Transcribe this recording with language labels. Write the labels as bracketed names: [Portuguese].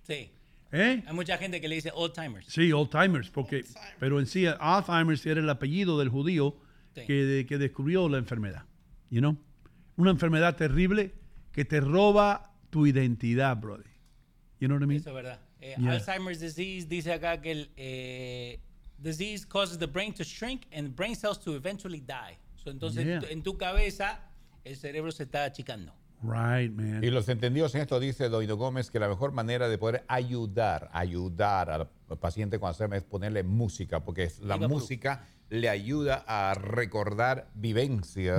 [Spanish] Sí. ¿Eh? Hay mucha gente que le dice Alzheimer's. Sí, Alzheimer's, porque, Alzheimer's. Pero en sí, Alzheimer's era el apellido del judío que descubrió la enfermedad. [English] You know? [Spanish] Una enfermedad terrible que te roba tu identidad, brother. [English] You know what I mean? [Spanish] Eso es verdad. [English] Yeah. Alzheimer's disease [Spanish] dice acá que el [English] disease causes the brain to shrink and brain cells to eventually die. [Spanish] So, entonces, en tu cabeza, el cerebro se está achicando. [English] Right, man. [Spanish] Y los entendidos en esto, dice Doido Gómez, que la mejor manera de poder ayudar al paciente con Alzheimer es ponerle música, porque la música le ayuda a recordar vivencias.